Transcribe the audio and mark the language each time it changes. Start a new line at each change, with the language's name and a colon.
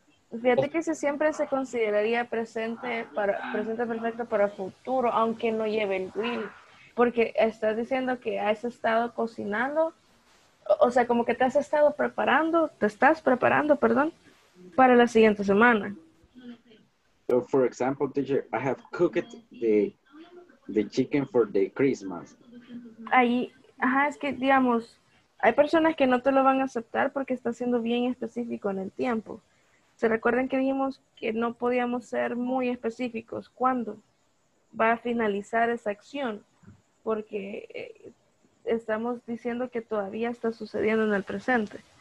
Spanish: Fíjate que ese siempre se consideraría presente perfecto para futuro, aunque no lleve el will. Porque estás diciendo que has estado cocinando, o sea, como que te estás preparando, para la siguiente semana.
English: So, for example, teacher, I have cooked the chicken for the Christmas.
Spanish: Ahí, ajá, es que, digamos, hay personas que no te lo van a aceptar porque está siendo bien específico en el tiempo. ¿Se recuerdan que dijimos que no podíamos ser muy específicos? ¿Cuándo va a finalizar esa acción? Porque estamos diciendo que todavía está sucediendo en el presente.